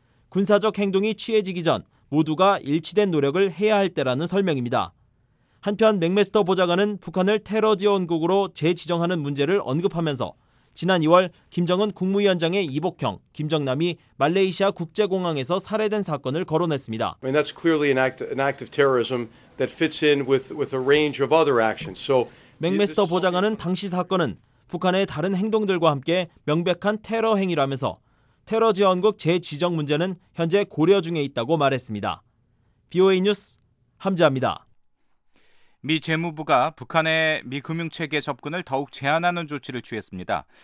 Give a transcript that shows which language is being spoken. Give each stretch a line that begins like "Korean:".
Korean: 군사적 행동이 취해지기 전 모두가 일치된 노력을 해야 할 때라는 설명입니다. 한편 맥메스터 보좌관은 북한을 테러 지원국으로 재지정하는 문제를 언급하면서 지난 2월 김정은 국무위원장의 이복형, 김정남이 말레이시아 국제공항에서 살해된 사건을 거론했습니다.
English: I mean, that's clearly an act of terrorism that fits in with a range of other actions. So
Korean: 맥메스터 보좌관은 당시 사건은 북한의 다른 행동들과 함께 명백한 테러 행위라면서 테러 지원국 재지정 문제는 현재 고려 중에 있다고 말했습니다. BOA 뉴스 함지아입니다. 미 재무부가 북한의 미 금융체계 접근을 더욱 제한하는 조치를 취했습니다.